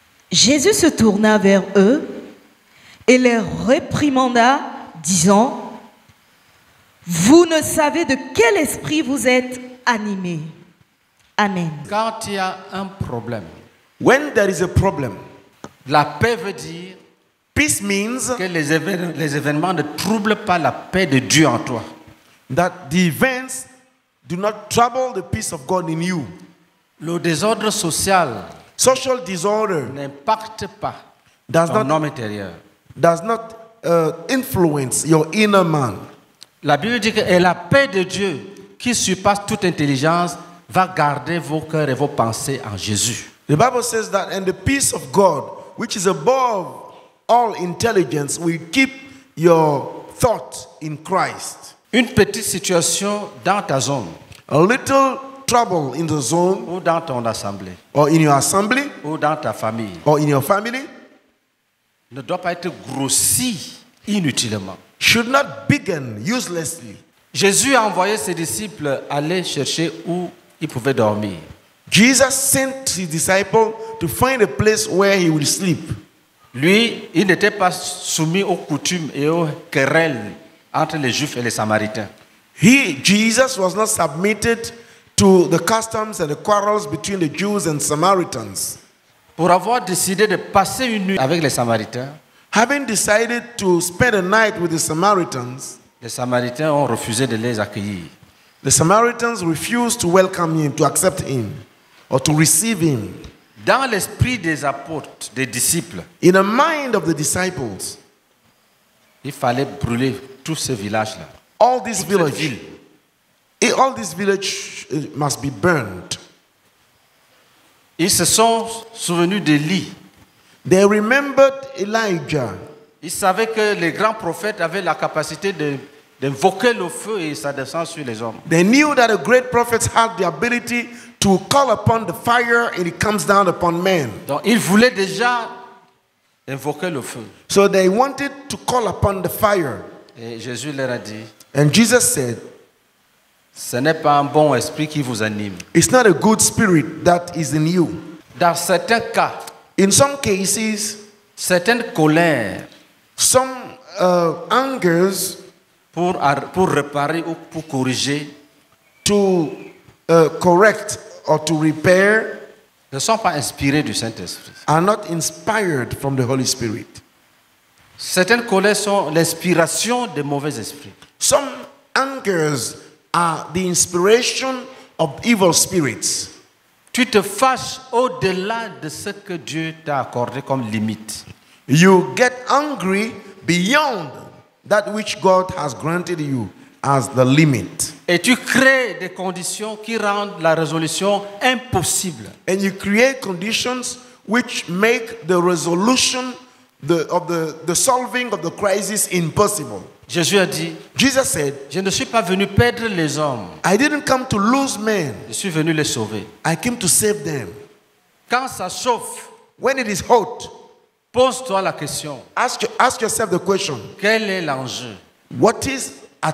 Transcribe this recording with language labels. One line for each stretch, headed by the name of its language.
French: Jésus se tourna vers eux et les réprimanda, disant, vous ne savez de quel esprit vous êtes animés. Amen. Quand il y a un problème,
English: when there is a problem,
French: la paix veut dire,
English: peace means
French: que les événements ne troublent pas la paix de Dieu en toi.
English: That the events do not trouble the peace of God in you.
French: Le désordre social,
English: social disorder,
French: n'impacte pas ton homme intérieur.
English: Does not influence your inner man.
French: La Bible dit que et la paix de Dieu qui surpasse toute intelligence va garder vos cœurs et vos pensées en Jésus.
English: The Bible says that and the peace of God which is above all intelligence will keep your thought in Christ.
French: Une petite situation dans ta zone,
English: a little trouble in the zone,
French: ou dans ton assemblée,
English: or in your assembly,
French: ou dans ta famille,
English: or in your family,
French: ne doit pas être grossi inutilement.
English: Should not bigger uselessly.
French: Jésus a envoyé ses disciples aller chercher où ils pouvaient dormir.
English: Jesus sent his disciples to find a place where he will sleep.
French: Lui, il n'était pas soumis aux coutumes et aux querelles entre les Juifs et les Samaritains.
English: He, Jesus, was not submitted to the customs and the quarrels between the Jews and Samaritans.
French: Pour avoir décidé de passer une nuit avec les Samaritains,
English: having decided to spend a night with the Samaritans,
French: les Samaritains ont refusé de les accueillir.
English: The Samaritans refused to welcome him, to accept him. or to receive him.
French: Dans l'esprit des apôtres, des disciples,
English: in the mind of the disciples,
French: il fallait brûler tout ce village-là.
English: All this village. All this village must be burned.
French: Ils se sont souvenus d'Élie.
English: They remembered Elijah.
French: Ils savaient que les grands prophètes avaient la capacité d'invoquer le feu et ça descend sur les hommes.
English: They knew that the great prophets had the ability to call upon the fire and it comes down upon men.
French: Donc ils voulaient déjà invoquer le feu.
English: So they wanted to call upon the fire.
French: Et Jésus leur a dit.
English: And Jesus said,
French: ce n'est pas un bon esprit qui vous anime.
English: It's not a good spirit that is in you.
French: Dans certains cas,
English: in some cases,
French: certaines colères,
English: some angers,
French: pour réparer ou pour corriger,
English: to correct or to repair,
French: ne sont pas inspirées du Saint-Esprit.
English: Are not inspired from the Holy Spirit.
French: Certaines colères sont l'inspiration de mauvais esprits.
English: Some angers are the inspiration of evil spirits.
French: Tu te fâches au-delà de ce que Dieu t'a accordé comme limite.
English: You get angry beyond that which God has granted you as the limit.
French: Et tu crées des conditions qui rendent la résolution impossible.
English: And you create conditions which make the resolution the solving of the crisis impossible.
French: Jésus a dit,
English: Jesus said,
French: je ne suis pas venu perdre les hommes.
English: I didn't come to lose men.
French: Je suis venu les sauver.
English: I came to save them.
French: Quand ça chauffe,
English: when it is hot,
French: pose-toi la question.
English: Ask yourself the question.
French: Quel est l'enjeu?
English: What is at